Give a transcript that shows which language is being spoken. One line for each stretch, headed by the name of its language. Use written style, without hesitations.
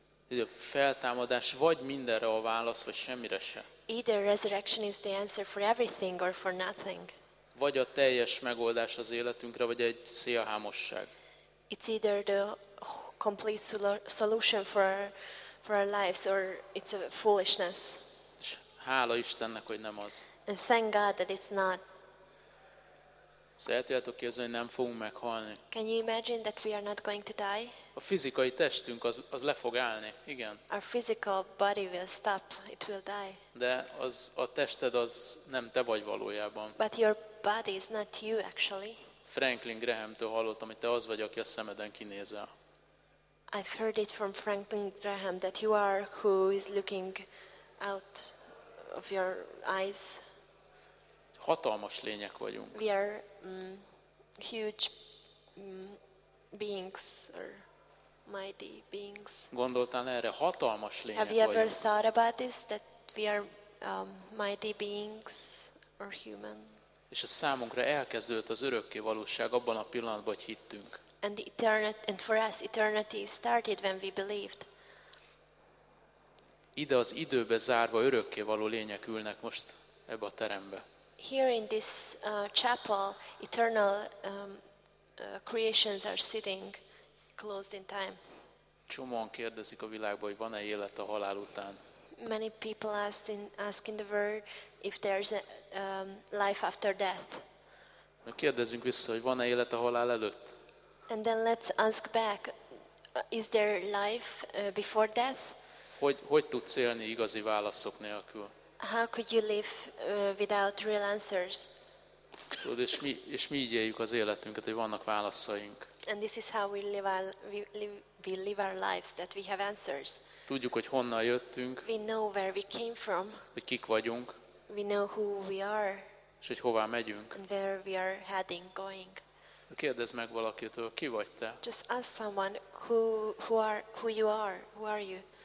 Hungarian: A feltámadás vagy mindenre a válasz, vagy semmire se.
English: Either resurrection is the answer for everything or for nothing.
Hungarian: Vagy a teljes megoldás az életünkre, vagy egy szélhámosság.
English: It's either the complete solution for our lives or it's a foolishness.
Hungarian: És hála Istennek, hogy nem az.
English: And thank God that it's not.
Hungarian: Szeretjátok képzelni, hogy nem fogunk meghalni.
English: Can you imagine that we are not going to die?
Hungarian: A fizikai testünk az le fog állni, igen.
English: Our physical body will stop, it will die.
Hungarian: De az a tested az nem te vagy valójában.
English: But your body is not you actually.
Hungarian: Franklin Graham-től hallottam, hogy te az vagy, aki a szemeden kinézel.
English: I've heard it from Franklin Graham that you are who is looking out of your eyes.
Hungarian: Hatalmas lények vagyunk.
English: We are huge beings or mighty beings.
Hungarian: Gondoltál erre, hatalmas lények vagyunk.
English: Have you ever thought about this, that we are mighty beings or human?
Hungarian: És a számunkra elkezdődött az örökké valóság abban a pillanatban, hogy hittünk.
English: And the eternity, and for us eternity started when we believed.
Hungarian: Ide az időbe zárva örökké való lények ülnek most ebbe a terembe.
English: Here in this chapel, eternal creations are sitting closed in time.
Hungarian: Csomóan kérdezik a világban, hogy van-e élet a halál után.
English: Many people ask in the world if there's a life after death.
Hungarian: Kérdezünk vissza, hogy van-e élet a halál előtt.
English: And then let's ask back, is there life before death?
Hungarian: Hogy tudsz élni igazi válaszok nélkül?
English: How could you live without real answers?
Hungarian: Tudod, és mi így éljük az életünket, hogy vannak válaszaink.
English: And this is how we live our lives, that we have answers.
Hungarian: Tudjuk, hogy honnan jöttünk.
English: We know where we came from.
Hungarian: Hogy kik vagyunk.
English: We know who we are.
Hungarian: És hogy hová megyünk.
English: And where we are heading, going.
Hungarian: Kérdezz meg valakitől, ki vagy te?
English: Just ask someone who are you?